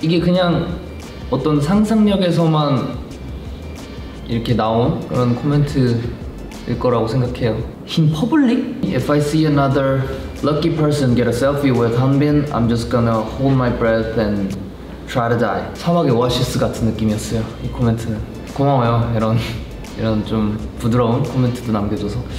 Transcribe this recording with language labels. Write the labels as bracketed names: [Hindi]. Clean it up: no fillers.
[Korean] 이게 그냥 어떤 상상력에서만 이렇게 나온 그런 코멘트일 거라고 생각해요. [English] In public? If I see another lucky person get a selfie with Hanbin, I'm just gonna hold my breath and try to die. [Korean] 사막의 오아시스 같은 느낌이었어요, 이 코멘트는. 고마워요, 이런 좀 부드러운 코멘트도 남겨줘서.